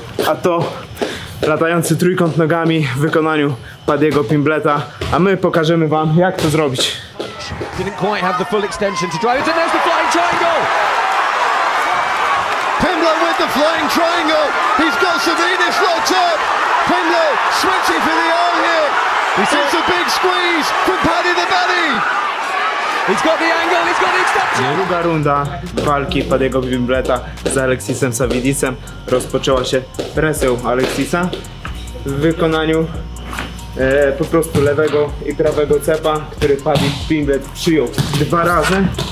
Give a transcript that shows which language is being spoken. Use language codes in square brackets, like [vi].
[pl] a to latający trójkąt nogami w wykonaniu Paddy'ego Pimbleta, a my pokażemy wam, jak to zrobić. [en] Didn't quite have the full extension to drive it, and there's the flying triangle! Pimble with the flying triangle! He's got Savinis locked up! Pimble switching for the arm here! It's a big squeeze from Paddy the Belly! He's got the angle, he's got the extension! [pl] Druga runda walki Paddy'ego Pimbleta z Alexisem Savinisem rozpoczęła się presją Alexisa w wykonaniu po prostu lewego i prawego cepa, który Paddy Pimblet przyjął dwa razy.